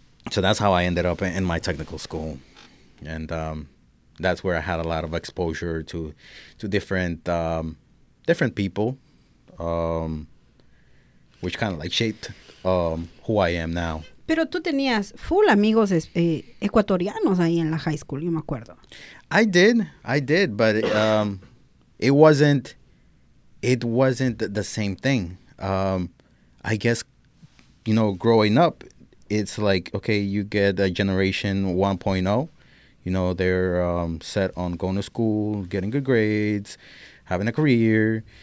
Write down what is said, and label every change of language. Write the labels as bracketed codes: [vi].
[en] So that's how I ended up in my technical school. And that's where I had a lot of exposure to different people. which kind of like shaped who I am now. [es] Pero tú tenías full amigos ecuatorianos ahí en la high school, yo me acuerdo. [en] I did, but it wasn't the same thing. I guess, you know, growing up, it's like, okay, you get a generation 1.0. You know, they're set on going to school, getting good grades, having a career.